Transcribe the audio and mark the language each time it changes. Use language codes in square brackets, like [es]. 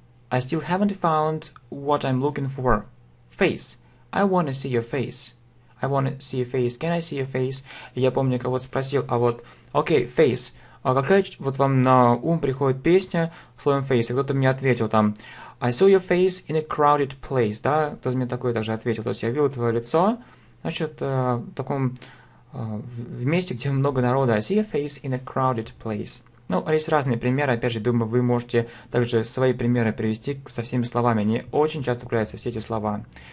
[en] I still haven't found what I'm looking for. Face. I wanna see your face. I wanna see your face. Can I see your face? [ru] Я помню, кого-то спросил, а вот... Окей, face. А какая вот вам на ум приходит песня словом face? И кто-то мне ответил там... [en] I saw your face in a crowded place. [ru] Да, кто-то мне такое даже ответил. То есть я видел твое лицо. Значит, в таком... в месте, где много народа. [en] I see your face in a crowded place. [ru] Ну, есть разные примеры. Опять же, думаю, вы можете также свои примеры привести со всеми словами. Они очень часто появляются, все эти слова.